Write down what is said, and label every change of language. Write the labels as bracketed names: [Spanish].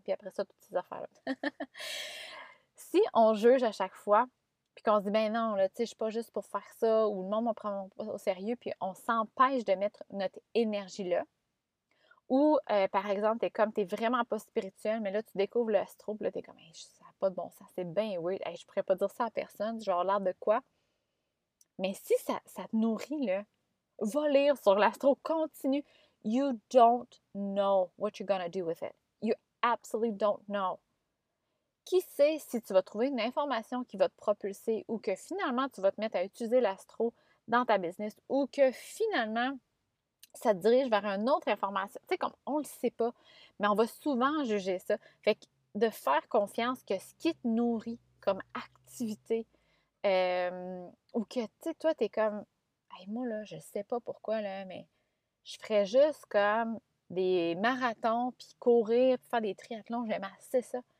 [French] Puis après ça, toutes ces affaires-là. Si on juge à chaque fois, puis qu'on se dit, ben non, là, tu sais, je suis pas juste pour faire ça, ou le monde me prend au sérieux, puis on s'empêche de mettre notre énergie là. Ou, par exemple, t'es comme, t'es vraiment pas spirituel, mais là, tu découvres l'astro, puis là, t'es comme, hey, ça n'a pas de bon sens, c'est bien, oui, hey, je pourrais pas dire ça à personne, je vais avoir l'air de quoi. Mais si ça te nourrit, là, va lire sur l'astro, continue. [English] You don't know what you're gonna do with it. You absolutely don't know. [French] Qui sait si tu vas trouver une information qui va te propulser ou que finalement, tu vas te mettre à utiliser l'astro dans ta business ou que finalement, ça te dirige vers une autre information. Tu sais, comme on ne le sait pas, mais on va souvent juger ça. Fait que de faire confiance que ce qui te nourrit comme activité, ou que, tu sais, toi, tu es comme, hey, moi, là, je ne sais pas pourquoi, là, mais je ferais juste comme des marathons, puis courir, puis faire des triathlons, j'aime assez ça.